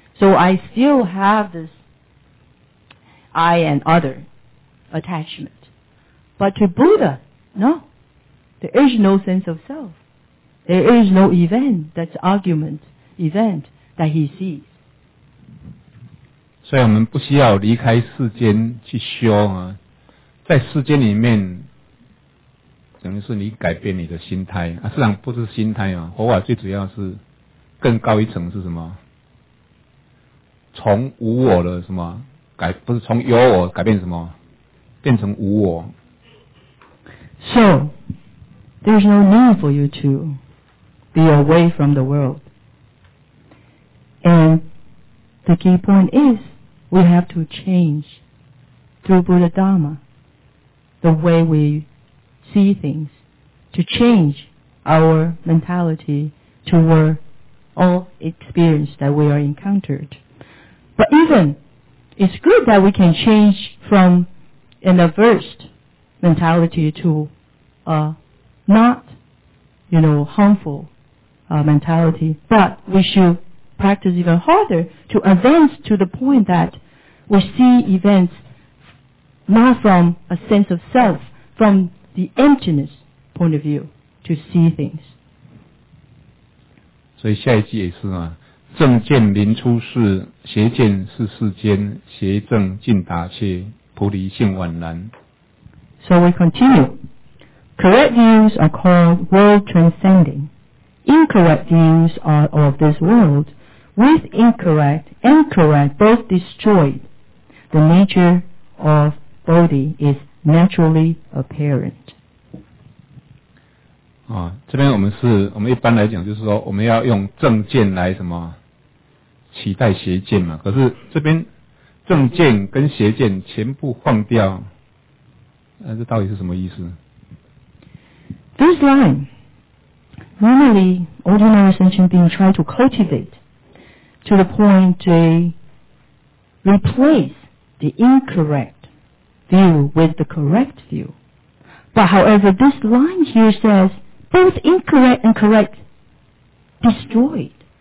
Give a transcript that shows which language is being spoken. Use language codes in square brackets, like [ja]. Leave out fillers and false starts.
[en] So I still have this I and other attachment. But to Buddha, no. There is no sense of self. There is no event, that's argument, event that he sees. [zh] 所以我们不需要离开世间去修啊，在世间里面，等于是你改变你的心态啊。实际上不是心态啊，佛法最主要是更高一层是什么？从无我的什么改，不是从有我改变什么，变成无我。 [en] So, there's no need for you to be away from the world. And the key point is. We have to change through Buddha Dharma the way we see things, to change our mentality toward all experience that we are encountered. But even, it's good that we can change from an averse mentality to a not, you know, harmful mentality, but we should practice even harder to advance to the point thatWe see events not from a sense of self, from the emptiness point of view to see things. [zh] 所以下一句也是嘛，正见临出世，邪见是世间，邪正尽达切，菩提性宛然。 [en] So we continue. Correct views are called world transcending. Incorrect views are of this world. With incorrect and correct both destroyed. The nature of Bodhi is naturally apparent. [zh] 啊，这边我们一般来讲就是说，我们要用正见来什么取代邪见嘛。可是这边正见跟邪见全部放掉，这到底是什么意思 [en] ？This line, normally ordinary sentient beings try to cultivate to the point they replace. The incorrect view with the correct view. But however, this line here says, both incorrect and correct destroyed.